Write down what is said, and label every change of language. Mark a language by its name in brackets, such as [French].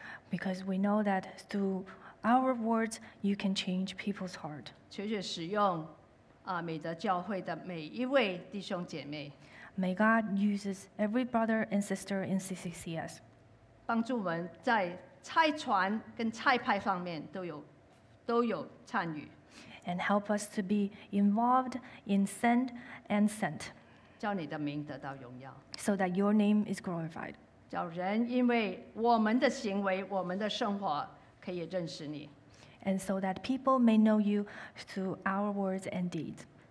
[English] Because we know that through our words, you can change people's heart. [Chinese] 求主使用美德教会的每一位弟兄姐妹。 [English] May God uses every brother and sister in CCCS. [Chinese] 帮助我们在差传跟差派方面都有参与。 [English] And help us to be involved in send and sent. [Chinese] 叫你的名得到荣耀。 [English] So that your name is glorified. [Chinese] 叫人因为我们的行为、我们的生活可以认识你。 [English] And so that people may know you through our words and deeds.